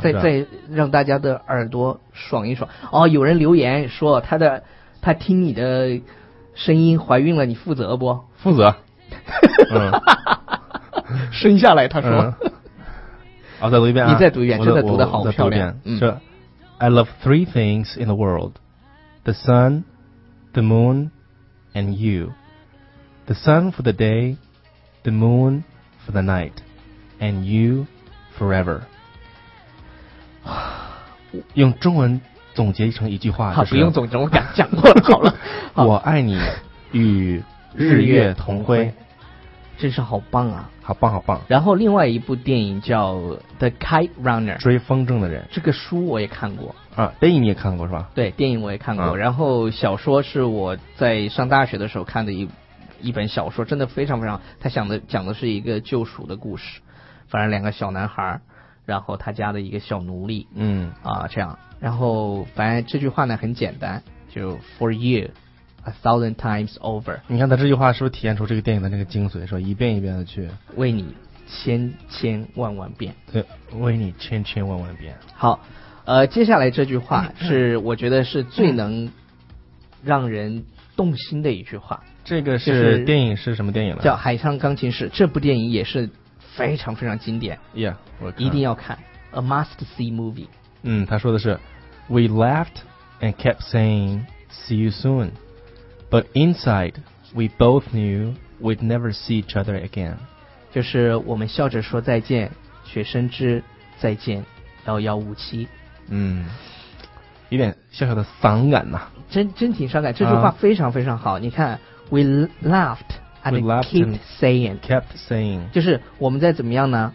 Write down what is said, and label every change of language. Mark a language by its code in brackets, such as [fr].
[zh] 再让大家的耳朵爽一爽。哦，有人留言说他听你的声音怀孕了，你负责不？负责生下来他说、嗯、哦，再读一遍啊，你再读一遍，真的读得好漂亮。 [en] 是、I love three things in the world, the sunThe moon and you. The sun for the day, the moon for the night, and you forever. [zh] 用中文总结成一句话、就是、好，不用总结，我刚讲过了好了好，我爱你与日月同辉，真是好棒啊，好棒好棒。然后另外一部电影叫 The Kite Runner, 追风筝的人，这个书我也看过啊，电影你也看过是吧？对，电影我也看过、啊、然后小说是我在上大学的时候看的一本小说，真的非常非常，他讲的是一个救赎的故事，反正两个小男孩，然后他家的一个小奴隶，嗯，啊，这样，然后反正这句话呢很简单，就 [en] for you a thousand times over。 [zh] 你看他这句话是不是体现出这个电影的那个精髓，说一遍一遍的去为你千千万万遍，对，为你千千万万遍。好，接下来这句话是我觉得是最能让人动心的一句话。这个是电影是什么电影呢？叫《海上钢琴师》，这部电影也是非常非常经典。 [en] Yeah， [zh] 我一定要看 ， [en] a must see movie。 [zh] 嗯，他说的是 [en] ，We laughed and kept saying see you soon， but inside we both knew we'd never see each other again。 [zh] 就是我们笑着说再见，却深知再见遥遥无期。嗯，有点小小的伤感呐、啊，真挺伤感。这句话非常非常好，你看 ， [en] we laughed and kept saying， [zh] 就是我们在怎么样呢？